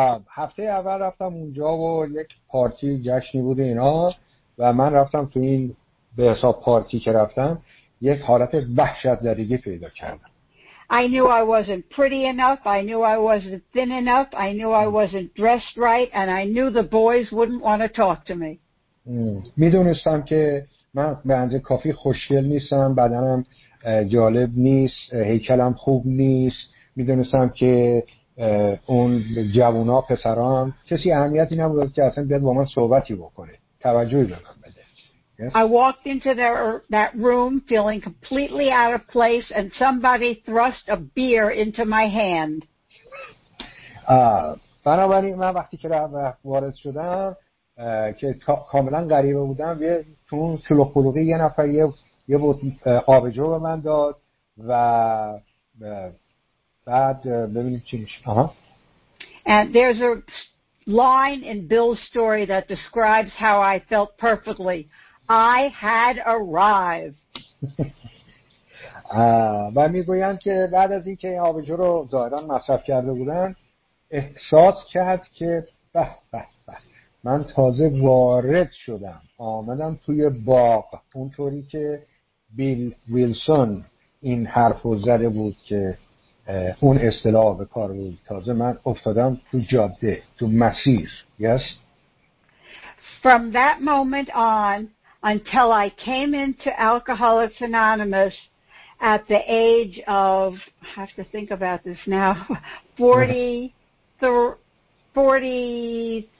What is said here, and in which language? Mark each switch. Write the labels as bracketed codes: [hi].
[fa] هفته اول رفتم اونجا و یک پارتی جشنی بود اینا و من رفتم تو این به حساب پارتی که رفتم یک حالت وحشت‌زدگی پیدا کردم. [en] I knew I wasn't pretty enough, I knew I wasn't thin enough, I knew I wasn't dressed right and I knew the boys wouldn't want to talk to me. [fa] میدونستم که من به اندازه کافی خوشگل نیستم، بدنم جالب نیست، هیکلم خوب نیست. میدونستم که اون جوونا پسران کسی اهمیتی نبود که اصلا بیاد با من صحبتی بکنه، توجهی به من بده. [en] Yes. I walked into that room feeling completely out of place and somebody thrust a beer into my hand. [fa] بنابراین من وقتی که وارد شدم که کاملا غریبه بودم، یه چون سلوخ بلوغی یه نفر یه آبجو به من داد و بعد ببینیم چی میشه. [en] And there's a line in Bill's story that describes how I felt perfectly. I had arrived. [fa] و میگویند که بعد از اینکه این آبجو رو ظاهراً مصرف کرده بودن احساس کرد که به به به من تازه وارد شدم، آمدم توی باغ، اونطوری که بیل ویلسون این حرف رو زده بود که اون اصطلاح به کار بود، تازه من افتادم تو جاده، تو مسیر. [en] Yes. From that moment on until I came into Alcoholics Anonymous at the age of, I have to think about this now, 41 or 43.